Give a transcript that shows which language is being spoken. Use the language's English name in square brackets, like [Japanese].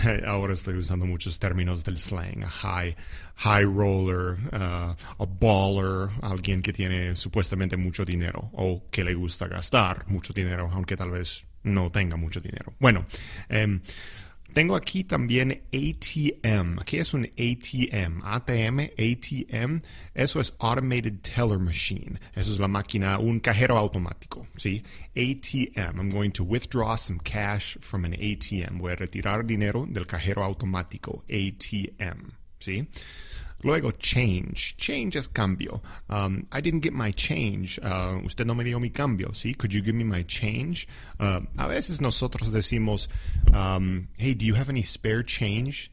[Spanish] Ahora estoy usando muchos términos del slang. [English] High roller, a baller, [Spanish] alguien que tiene supuestamente mucho dinero o que le gusta gastar mucho dinero, aunque tal vez no tenga mucho dinero. Bueno, tengo aquí también ATM. ¿Qué es un ATM? ATM, ATM. Eso es Automated Teller Machine. Eso es la máquina, un cajero automático, ¿sí? ATM. [English] I'm going to withdraw some cash from an ATM. [Spanish] Voy a retirar dinero del cajero automático, ATM, ¿sí? Luego, change. Change es cambio. [English] I didn't get my change. [Spanish] Usted no me dio mi cambio, ¿sí? [English] Could you give me my change? [Spanish] A veces nosotros decimos, [English] hey, do you have any spare change?